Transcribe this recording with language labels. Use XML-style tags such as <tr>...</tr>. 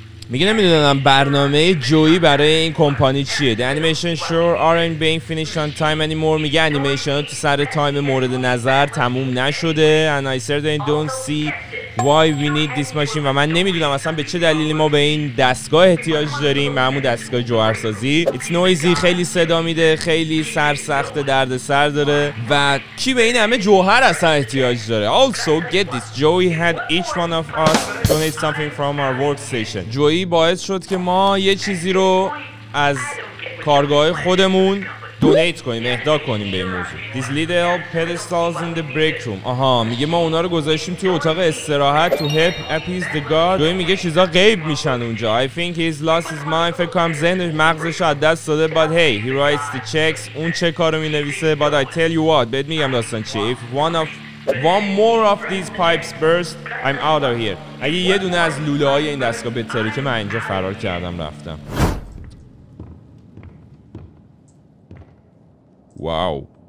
<fa>میگه نمیدونم برنامه جویی برای این کمپانی چیه.</fa> <en>The animation sure aren't being finished on time anymore.</en> <fa>میگه انیمیشن تو سر تایم مورد نظر تموم نشده.</fa> <en>And I certainly don't see why we need this machine.</en> <fa>و من نمیدونم اصلا به چه دلیلی ما به این دستگاه احتیاج داریم، به همون دستگاه جوهرسازی.</fa> <en>It's noisy،</en> <fa>خیلی صدا میده، خیلی سرسخت، درد سر داره. و کی به این همه جوهر اصلا احتیاج داره؟</fa> <en>Also get this، Joey had each one of us donate something from our workstation.</en> <fa>جویی باعث شد که ما یه چیزی رو از کارگاه خودمون دونیت کنیم، اهدا کنیم به این موضوع.</fa> <en>This little pedestals in the break room.</en> <fa>آها، میگه ما اونا رو گذاشتیم توی اتاق استراحت.</fa> <en>To help appease the guard.</en> <fa>جویی میگه چیزا غیب میشن اونجا.</fa> <en>I think he's lost his mind.</en> <fa>فکر کنم ذهنش مغزش رو از دست داده.</fa> <en>But hey, he writes the checks.</en> <fa>اون چک ها رو مینویسه.</fa> <en>But I tell you what.</en> <fa>بهت میگم داستان چیه.</fa> <en>If one more of these pipes burst, I'm out of here.</en> <fa>اگه یه دونه از لوله های این دستگاه بتره که من اینجا فرار کردم رفتم. واو.</fa>